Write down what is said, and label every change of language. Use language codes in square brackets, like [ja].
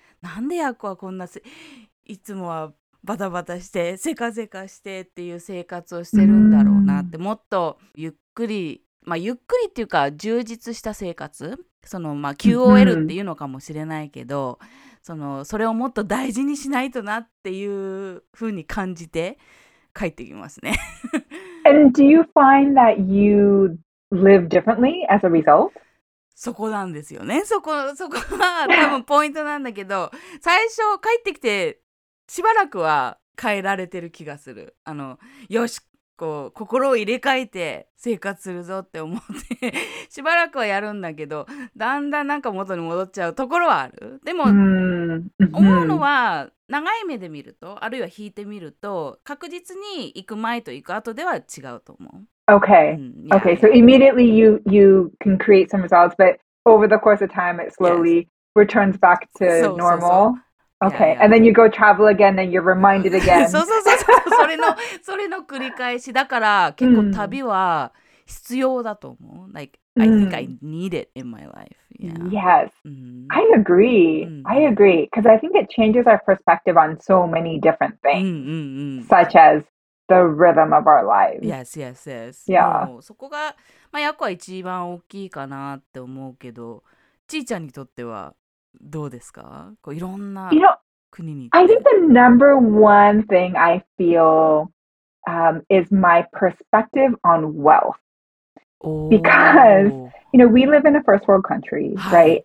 [ja] なんでヤコはこんな、いつもはバタバタしてせかせかしてっていう生活をしてるんだろうなって。もっとゆっくり、まあゆっくりっていうか充実した生活、そのまあ QOL っていうのかもしれないけど、それをもっと大事にしないとなっていうふうに感じて帰ってきますね。 [en] And do you find that you live differently as a result? [ja] そこなんですよね。そこは多分ポイントなんだけど、最初帰ってきてしばらくは変えられてる気がする。よし、こう心を入れ替えて生活するぞって思ってしばらくはやるんだけど、だんだんなんか元に戻っちゃうところはある。でも思うのは、長い目で見ると、あるいは引いてみると、確実に行く前と行く後では違うと思う。 [en] Okay. Okay. So immediately you can create some results, but over the course of time, it slowly returns back to normal. Okay. And then you go travel again, then you're reminded again. [ja] そうそうそうそう。それの繰り返しだから、結構旅は必要だと思う。 [en] Like, I think I need it in my life. Yeah. Yes. I agree. I agree. Because I think it changes our perspective on so many different things, such as,The rhythm of our lives. Yes, yes, yes. Yeah. [ja] そこが、まあ、ヤコは一番大きいかなって思うけど、ちーちゃんにとってはどうですか？こういろんな国に行って。 [en] You know, I think the number one thing I feel, is my perspective on wealth. Because, you know, we live in a first world country, right?